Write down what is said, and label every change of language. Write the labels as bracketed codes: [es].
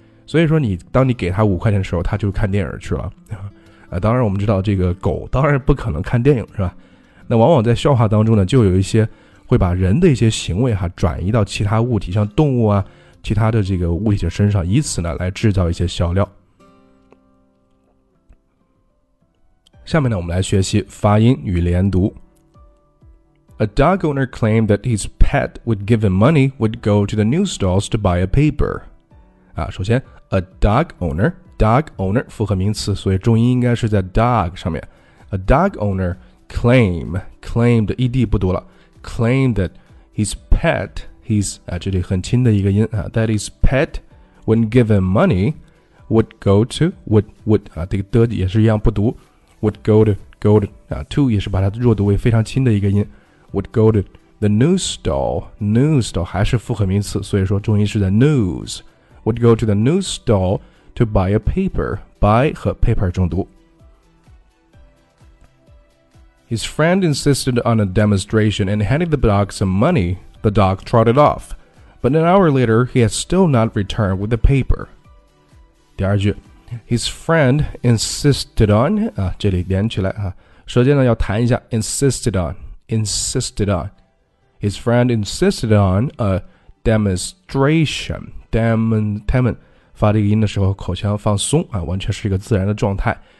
[zh] 所以说你当你给他五块钱的时候他就看电影去了。当然我们知道这个狗当然不可能看电影是吧那往往在笑话当中呢就有一些会把人的一些行为哈转移到其他物体像动物啊其他的这个物体的身上以此呢来制造一些笑料。下面呢我们来学习发音与连读。 [en] A dog owner claimed that his pet would give him money would go to the news stalls to buy a paper. [zh] 啊首先 [en] a dog owner, [zh] 复合名词所以重音应该是在 dog 上面。 [en] A dog owner claimed, ed [zh] 不读了 [en] claimed that his pet, [zh] 啊这里很轻的一个音啊 [en] that his pet when given money would go to, would, [zh] 啊这个的也是一样不读 [en] would go to, [zh] 啊 to 也是把它弱读为非常轻的一个音。 [en] Would go to the news stall [zh] 还是复合名词所以说重音是在 news [en] would go to the news stall to buy a paper [zh] buy 和 paper 中读 [en] His friend insisted on a demonstration and handed the dog some money the dog trotted off but an hour later he had still not returned with the paper [zh] 第二句 [en] His friend insisted on [zh] 啊，这里连起来啊，舌尖呢要弹一下 [en] insisted on. His friend insisted on a demonstration. [zh] Demon, 发这个音的时候口腔放松、啊、完全是一个自然的状态。